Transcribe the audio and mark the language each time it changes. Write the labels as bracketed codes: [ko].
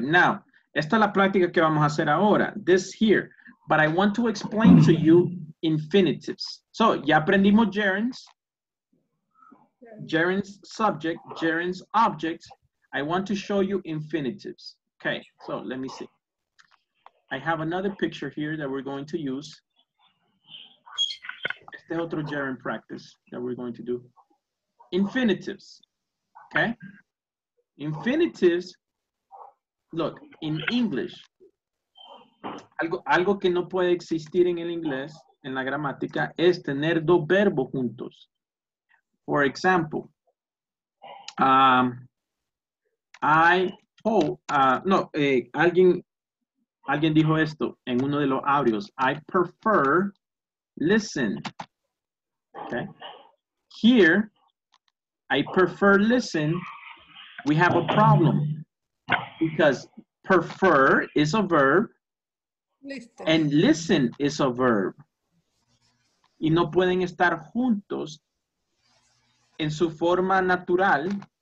[es] Now, esta es la práctica que vamos a hacer ahora. [en] This here, but I want to explain to you infinitives. [es] So, ya aprendimos gerunds, gerunds subject, gerunds object. [en] I want to show you infinitives. Okay, so let me see. I have another picture here that we're going to use. [es] Este otro [en] gerund practice that we're going to do. Infinitives, okay? Infinitives, look, in English, [es] algo que no puede existir en el inglés, en la gramática, es tener dos verbos juntos. [en] For example, [es] alguien dijo esto en uno de los audios. [en] I prefer listen. Okay. Here, I prefer listen. We have a problem because prefer is a verb and listen is a verb. [es] Y no pueden estar juntos en su forma natural.